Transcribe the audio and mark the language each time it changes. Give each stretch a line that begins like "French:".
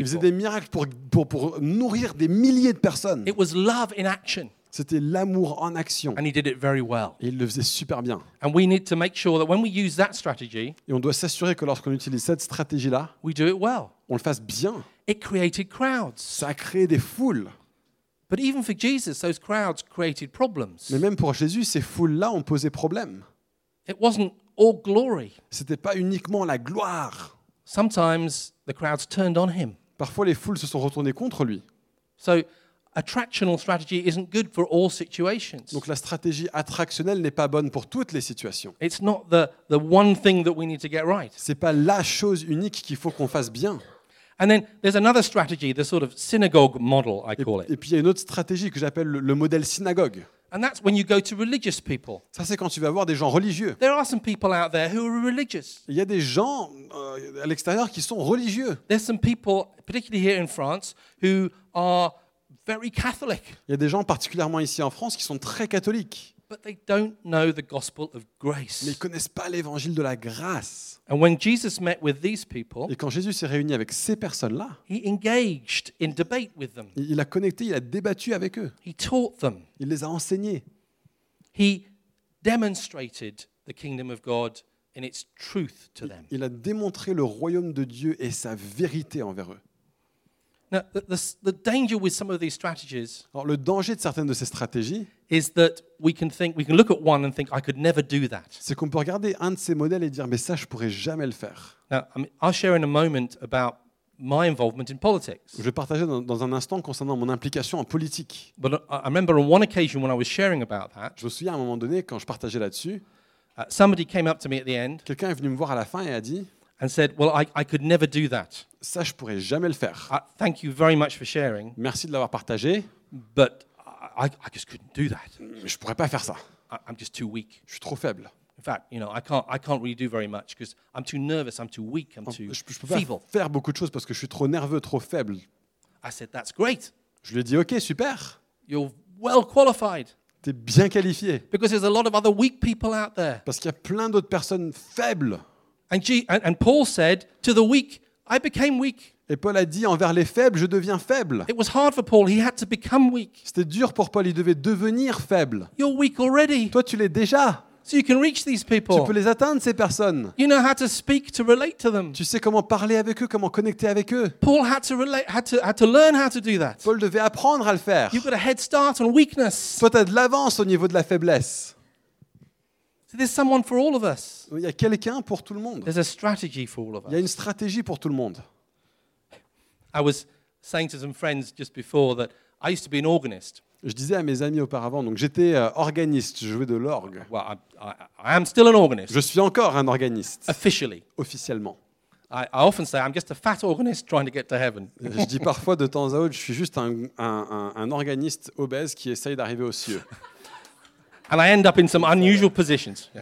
French: Il faisait des miracles pour nourrir des milliers de personnes.
English: It was love in action.
French: C'était l'amour en action.
English: And he did it very well.
French: Et il le faisait super bien.
English: And we need to make sure that when we use that strategy,
French: et on doit s'assurer que lorsqu'on utilise cette stratégie-là,
English: we do it well.
French: On le fasse bien.
English: It created crowds.
French: Ça a créé des foules.
English: But even for Jesus, those crowds created problems.
French: Mais même pour Jésus, ces foules-là ont posé problème.
English: It wasn't all glory.
French: C'était pas uniquement la gloire.
English: Sometimes the crowds turned on him.
French: Parfois, les foules se sont retournées contre lui.
English: So, attractional strategy isn't good for all situations.
French: Donc la stratégie attractionnelle n'est pas bonne pour toutes les situations.
English: It's not the one thing that we need to get right.
French: C'est pas la chose unique qu'il faut qu'on fasse bien.
English: And then there's another strategy, the sort of synagogue model, I call it.
French: Et puis il y a une autre stratégie que j'appelle le modèle synagogue.
English: And that's when you go to religious people.
French: Ça c'est quand tu vas voir des gens religieux.
English: There are some people out there who are religious.
French: Il y a des gens à l'extérieur qui sont religieux.
English: There's some people, particularly here in France, who are very Catholic.
French: Il y a des gens particulièrement ici en France qui sont très catholiques.
English: But they don't know the gospel of grace.
French: Mais ils connaissent pas l'évangile de la grâce.
English: And when Jesus met with these people,
French: et quand Jésus s'est réuni avec ces personnes-là,
English: he engaged in debate with them.
French: Il a connecté, il a débattu avec eux.
English: He taught them.
French: Il les a enseignés.
English: He demonstrated the kingdom of God in its truth to them.
French: Il a démontré le royaume de Dieu et sa vérité envers eux.
English: Now, the danger with some of these strategies.
French: Alors, le danger de certaines de ces stratégies
English: is that we can look at one and think I could never do that.
French: C'est qu'on peut regarder un de ces modèles et dire mais ça je pourrais jamais le faire.
English: Now, I'll share in a moment about my involvement in politics.
French: Je vais partager dans un instant concernant mon implication en politique.
English: But I remember on one occasion when I was sharing about that.
French: Je me souviens à un moment donné quand je partageais là-dessus.
English: Somebody came up to me at the end.
French: Quelqu'un est venu me voir à la fin et a dit.
English: And said, well, I could never do that.
French: Ça, je pourrais jamais le faire.
English: Thank you very much for sharing.
French: Merci de l'avoir partagé.
English: But I just couldn't do that.
French: Je pourrais pas faire ça.
English: I'm just too weak.
French: Je suis trop faible.
English: In fact, you know, I can't really do very much because I'm too nervous, I'm too weak, I'm too feeble.
French: Je peux pas faire beaucoup de choses parce que je suis trop nerveux, trop faible.
English: I said, that's great.
French: Je lui ai dit, ok, super.
English: You're well qualified.
French: T'es bien qualifié.
English: Because there's a lot of other weak people out there.
French: Parce qu'il y a plein d'autres personnes faibles.
English: And Paul said to the weak, I became weak.
French: Et Paul a dit envers les faibles, je deviens faible.
English: It was hard for Paul. He had to become weak.
French: C'était dur pour Paul. Il devait devenir faible.
English: You're weak already.
French: Toi, tu l'es déjà.
English: So you can reach these people.
French: Tu peux les atteindre ces personnes.
English: You know how to speak to relate to them.
French: Tu sais comment parler avec eux, comment connecter avec eux.
English: Paul had to learn how to do that.
French: Paul devait apprendre à le faire.
English: You've got a head start on weakness.
French: Toi, t'as de l'avance au niveau de la faiblesse.
English: So there's someone for all of us.
French: Il y a quelqu'un pour tout le monde.
English: There's a strategy for all of us.
French: Il y a une stratégie pour tout le monde.
English: I was saying to some friends just before that I used to be an organist.
French: Je disais à mes amis auparavant, donc j'étais organiste, je jouais de l'orgue.
English: Well, I am still an organist.
French: Je suis encore un organiste.
English: Officially.
French: Officiellement.
English: I often say I'm just a fat organist trying to get to heaven.
French: Je dis parfois de temps à autre, je suis juste un organiste obèse qui essaye d'arriver aux cieux.
English: And I end up in some unusual positions.